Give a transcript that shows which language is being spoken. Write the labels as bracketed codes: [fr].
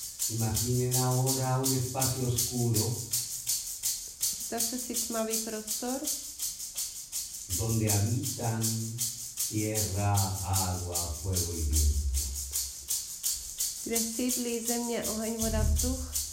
[es] Imaginen ahora un espacio oscuro. [cs] Představte si tmavý prostor. [es] Donde habitan tierra, agua, fuego y viento. [cs] Kde sídlí země, oheň, voda, vzduch.